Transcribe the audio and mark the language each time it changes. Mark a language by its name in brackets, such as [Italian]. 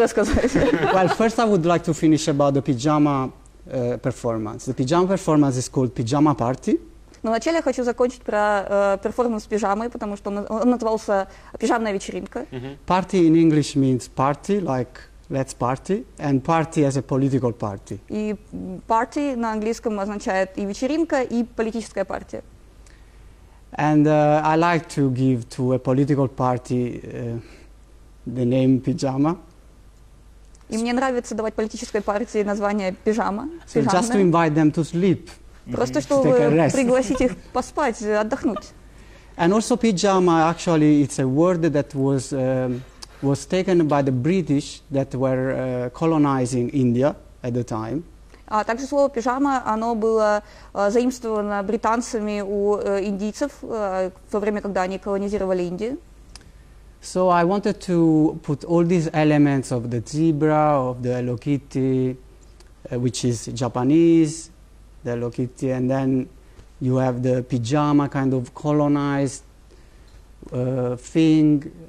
[English] Well, first I would like to finish about the pajama performance. The pajama performance is called Pyjamas Party. [Russian] Но вначале я хочу закончить про перформанс с пижамой, потому что он назывался «Пижамная вечеринка». Mm-hmm. [English] Party in English means party, like let's party, and party as a political party. [Russian] И party на английском означает и вечеринка, и политическая партия. [English] And I like to give to a political party the name pajama. [Russian] И мне нравится давать политической партии название пижама. [English] So just to invite them to sleep. [Russian] Просто чтобы пригласить их поспать, отдохнуть. [English] And also pyjama, actually, it's a word that was taken by the British that were colonizing India at the time. [Russian] А также слово пижама, оно было заимствовано британцами у индийцев во время, когда они колонизировали Индию. [English] So I wanted to put all these elements of the zebra, of the Hello Kitty, which is Japanese, the Hello Kitty, and then you have the pyjama kind of colonized thing.